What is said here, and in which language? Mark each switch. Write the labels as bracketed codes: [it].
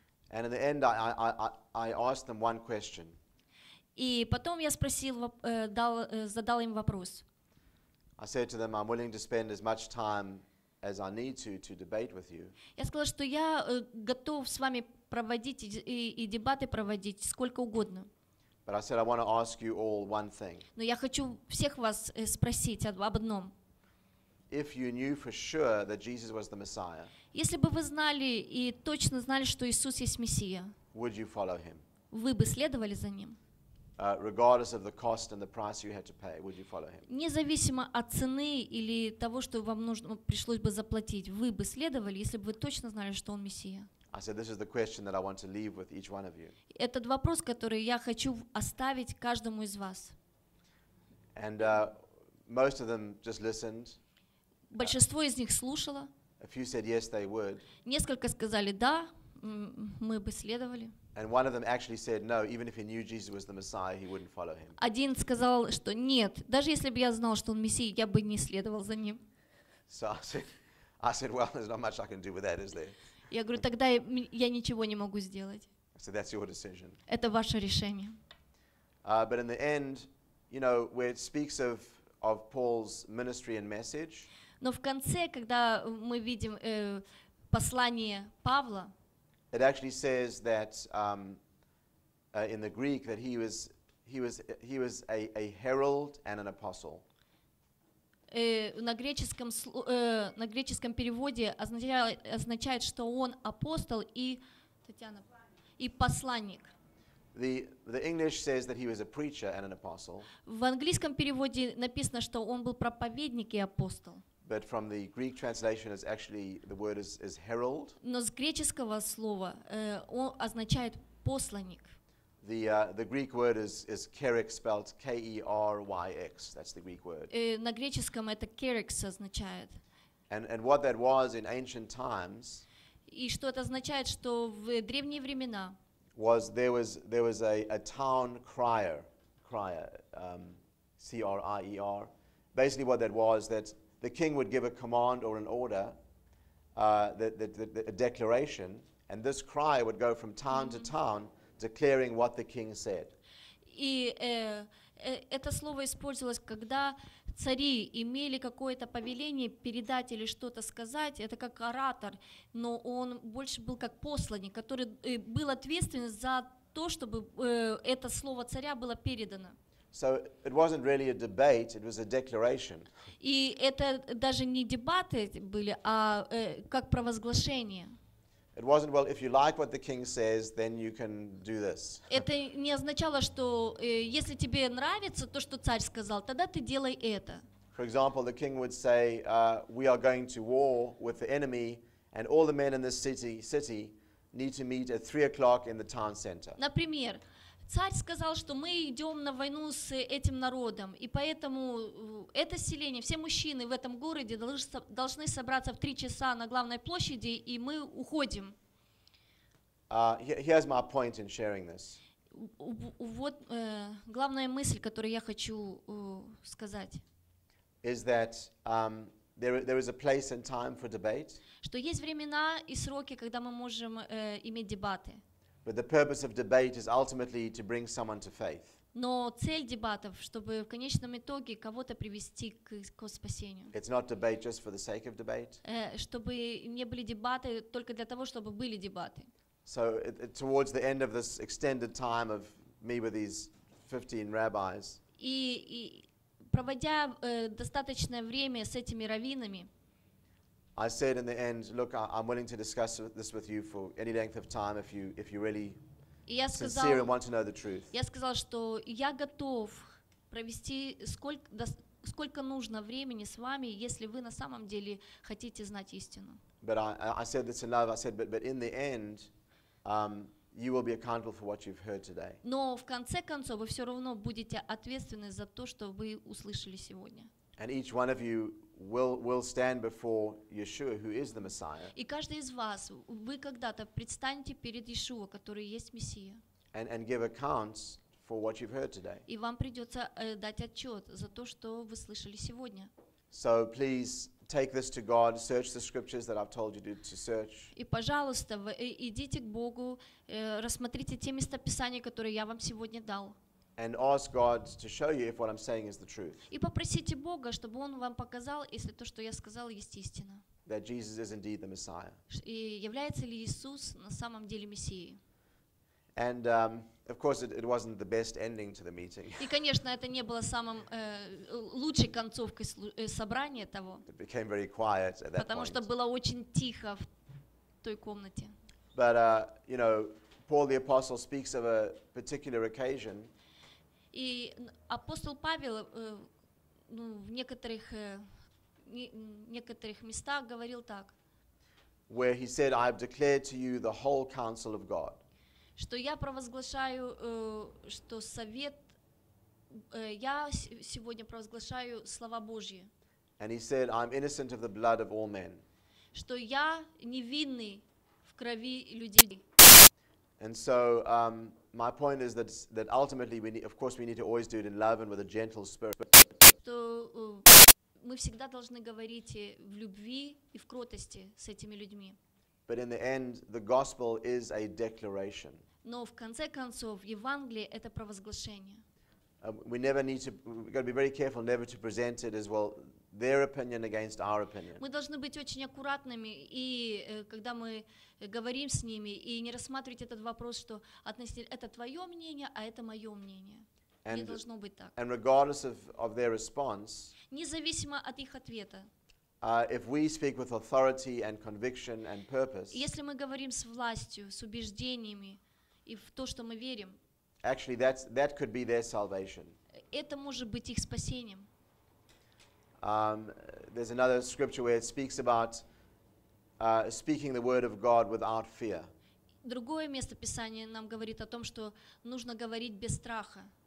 [en] And in the end I asked them one question. [ru] И потом я спросил, задал им вопрос. [en] I said to them, I'm willing to spend as much time as I need to debate with you. [ru] Я сказала, что я готов с вами проводить и дебаты проводить сколько угодно. [en] But I said I want to ask you all one thing. [ru] Но я хочу всех вас спросить об одном. [en] if you knew for sure that Jesus was the Messiah, [ru] если бы вы знали и точно знали, что Иисус есть Мессия, [en] would you follow him? [ru] Вы бы следовали за ним? [en] Regardless of the cost and the price you had to pay, would you follow him? [ru] Независимо от цены или того, что вам нужно пришлось бы заплатить, вы бы следовали, если бы вы точно знали, что он Мессия? [en] I said this is the question that I want to leave with each one of you. [ru] Этот вопрос, который я хочу оставить каждому из вас. [en] And most of them just listened. [ru] Большинство из них слушало. [en] A few said yes, they would. [ru] Несколько сказали да, мы бы следовали. [en] And one of them actually said no, even if he knew Jesus was the Messiah, he wouldn't follow him. [ru] Один сказал, что нет, даже если бы я знал, что он Мессия, я бы не следовал за ним. [en] So I said, well, there's not much I can do with that, is there? [ru] Я говорю, тогда я ничего не могу сделать. [en] So that's your decision. [ru] Это ваше решение. [en] But in the end, you know, where it speaks of Paul's ministry and message. [ru] Но в конце, когда мы видим послание Павла, [en] it actually says that in the Greek that he was a herald and an apostle. [ru] На греческом переводе означает, что он апостол и Татьяна и посланник. [en] The English says that he was a preacher and an apostle. [ru] В английском переводе написано, что он был проповедник и апостол. [en] But from the Greek translation, it's actually the word is herald. [ru] Но с греческого слова он означает посланник. [en] The Greek word is kerex, spelled K-E-R-Y-X. That's the Greek word. [ru] На греческом это kerex означает. [en] And what that was in ancient times. [ru] И что это означает, что в древние времена. [en] Was there was a town crier, C-R-I-E-R. Basically, what that was that the king would give a command or an order, a declaration, and this crier would go from town mm-hmm. to town. Declaring what the king said. [ru] И это слово использовалось, когда цари имели какое-то повеление передать или что-то сказать. Это как оратор, но он больше был как посланник, который был ответственен за то, чтобы это слово царя было передано. [en] So it wasn't really a debate; it was a declaration. [ru] И это даже не дебаты были, а как провозглашение. [en] It wasn't, well, if you like what the king says, then you can do this. [ru] Это не означало, что если тебе нравится то, что царь сказал, тогда ты делай это. [en] For example, the king would say, we are going to war with the enemy, and all the men in this city need to meet at 3 o'clock in the town center. [ru] Например, царь сказал, что мы идем на войну с этим народом, и поэтому это селение, все мужчины в этом городе должны собраться в 3 часа на главной площади, и мы уходим. [en] Here's my point in sharing this. [ru] Вот главная мысль, которую я хочу сказать. [en] Is that there is a place and time for debate? [ru] Что есть времена и сроки, когда мы можем иметь дебаты. [en] But the purpose of debate is ultimately to bring someone to faith. [ru] Но цель дебатов, чтобы в конечном итоге кого-то привести к спасению. [en] It's not debate just for the sake of debate. [ru] Чтобы не были дебаты только для того, чтобы были дебаты. [en] So towards the end of this extended time of me with these 15 rabbis. [ru] И проводя достаточное время с этими раввинами. [en] I said in the end, look, I'm willing to discuss this with you for any length of time if you really sincere and want to know the truth. [ru] Я сказал, что я готов провести сколько нужно времени с вами, если вы на самом деле хотите знать истину. [en] But I said this in love. I said, but in the end, you will be accountable for what you've heard today. [ru] Но в конце концов вы все равно будете ответственны за то, что вы услышали сегодня. [en] And each one of you will stand before Yeshua, who is the Messiah. [ru] И каждый из вас, вы когда-то предстанете перед Иешуа, который есть Мессия. [en] And give accounts for what you've heard today. [ru] И вам придется дать отчет за то, что вы слышали сегодня. [en] So please take this to God, search the scriptures that I've told you to search. [ru] И пожалуйста, идите к Богу, рассмотрите те места Писания, которые я вам сегодня дал. [en] And ask God to show you if what I'm saying is the truth. [ru] И попросите Бога, чтобы Он вам показал, если то, что я сказал, есть истина. [en] That Jesus is indeed the Messiah. [ru] И является ли Иисус на самом деле Мессией? [en] And Of course, it wasn't the best ending to the meeting. [ru] И конечно, это не было самым лучшей концовкой собрания того. [en] It became very quiet at that point. [ru] Потому что было очень тихо в той комнате. [en] But you know, Paul the apostle speaks of a particular occasion. [ru] И апостол Павел в некоторых местах говорил так. [en] Where he said, "I have declared to you the whole counsel of God." [ru] Что я провозглашаю, что совет, я сегодня провозглашаю слова Божьи. [en] And he said, "I'm innocent of the blood of all men." [ru] Что я невинный в крови людей. [en] And so my point is that ultimately we need, of course we need to always do it in love and with a gentle spirit. [ru] Что мы всегда должны говорить в любви и в кротости с этими людьми. [en] But in the end, the gospel is a declaration. [ru] Но в конце концов, Евангелие — это провозглашение. [en] We never need to. We've got to be very careful never to present it as well their opinion against our opinion. [ru] Мы должны быть очень аккуратными, и когда мы говорим с ними, и не рассматривать этот вопрос, что относительно это твое мнение, а это мое мнение. Не должно быть так. [en] And regardless of their response. [ru] Независимо от их ответа. [en] If we speak with authority and conviction and purpose, [ru] если мы говорим с властью, с убеждениями и в то, что мы верим, [en] actually that could be their salvation. [ru] Это может быть их спасением. [en] There's another scripture where it speaks about speaking the word of God without fear. [ru] Другое место Писания нам говорит о том, что нужно говорить без страха,